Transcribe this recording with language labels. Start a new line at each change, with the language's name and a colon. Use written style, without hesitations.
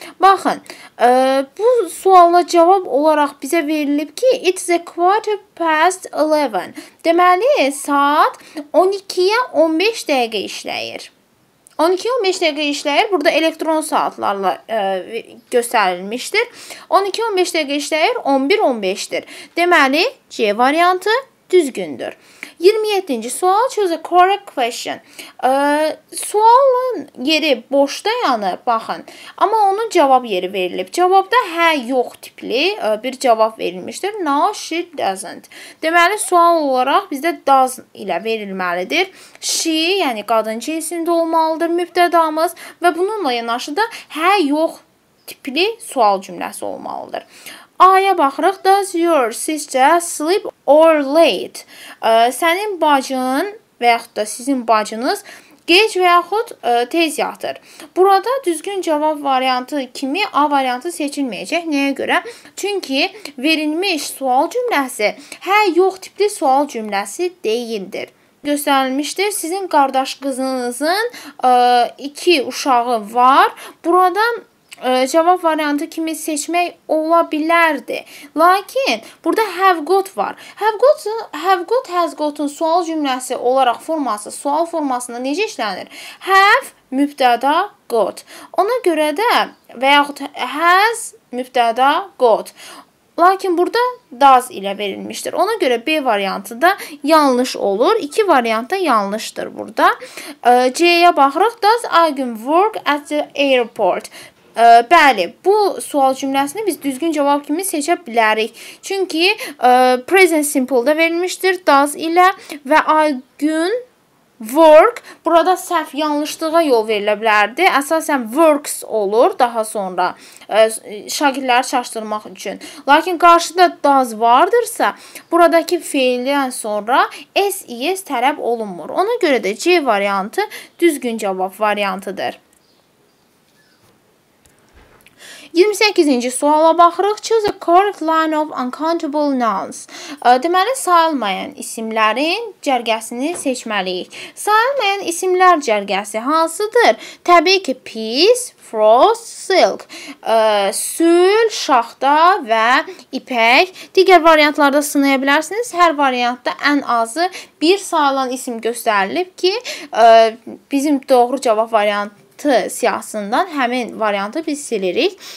Azerbaijani: Baxın, bu suala cavab olaraq bizə verilib ki,
English: it's a quarter past 11.
Azerbaijani: Deməli, saat 12-yə 15 dəqiqə işləyir. 12-15 dəqiqə işləyir, burada elektron saatlarla göstərilmişdir. 12-15 dəqiqə işləyir, 11-15-dir. Deməli, C variantı düzgündür. 27-ci sual,
English: choose a correct question.
Azerbaijani: Sualın yeri boşda yanır, baxın. Amma onun cavab yeri verilib. Cavabda hə, yox tipli bir cavab verilmişdir.
English: No, she doesn't.
Azerbaijani: Deməli, sual olaraq bizdə does ilə verilməlidir. She, yəni qadın cinsində olmalıdır mübtədamız. Və bununla yanaşı da hə, yox tipli sual cümləsi olmalıdır. A-ya baxırıq.
English: Does your sister sleep or late?
Azerbaijani: Sənin bacın və yaxud da sizin bacınız gec və yaxud tez yatır. Burada düzgün cavab variantı kimi A variantı seçilməyəcək. Nəyə görə? Çünki verilmiş sual cümləsi hə, yox tipli sual cümləsi deyildir. Göstərilmişdir. Sizin qardaş qızınızın iki uşağı var. Burada cavab variantı kimi seçmək ola bilərdi. Lakin burada have got var. Have got has got-un sual cümləsi olaraq forması, sual formasında necə işlənir? Have mübtəda got. Ona görə də və yaxud has mübtəda got. Lakin burada does ilə verilmişdir. Ona görə B variantı da yanlış olur. İki variant da yanlışdır burada. C-yə baxırıq.
English: Does Aygün work at the airport?
Azerbaijani: Bəli, bu sual cümləsini biz düzgün cavab kimi seçə bilərik. Çünki present simple-da verilmişdir does ilə və Aygün work burada səhv yanlışlığa yol verilə bilərdi. Əsasən works olur daha sonra şagirdləri çaşdırmaq üçün. Lakin qarşıda does vardırsa, buradakı feildən sonra s-es tələb olunmur. Ona görə də C variantı düzgün cavab variantıdır. 28-ci suala baxırıq.
English: Choose a correct line of uncountable nouns.
Azerbaijani: Deməli, sayılmayan isimlərin cərgəsini seçməliyik. Sayılmayan isimlər cərgəsi hansıdır? Təbii ki, peace, frost, silk. Sül, şaxta və ipək. Digər variantlarda sınaya bilərsiniz. Hər variantda ən azı bir sayılan isim göstərilib ki, bizim doğru cavab variantı T siyasından həmin variantı biz silirik.